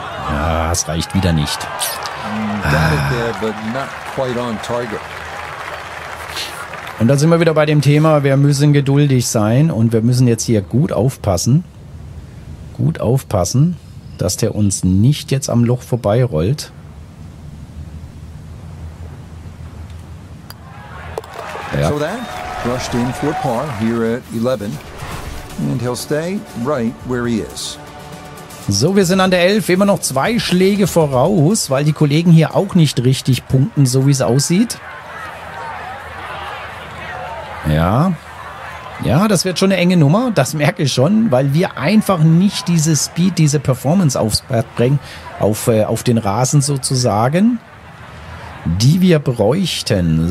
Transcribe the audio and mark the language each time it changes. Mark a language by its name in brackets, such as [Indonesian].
[German] Ja, es reicht wieder nicht. Und da sind wir wieder bei dem Thema, wir müssen geduldig sein und wir müssen jetzt hier gut aufpassen, dass der uns nicht jetzt am Loch vorbeirollt. Ja. [English] So that rushed in for par here at 11 and he'll stay right where he is. [German] So, wir sind an der 11, immer noch zwei Schläge voraus, weil die Kollegen hier auch nicht richtig punkten, so wie es aussieht. Ja, das wird schon eine enge Nummer, das merke ich schon, weil wir einfach nicht diese Speed, diese Performance aufs Brett bringen, auf den Rasen sozusagen, die wir bräuchten.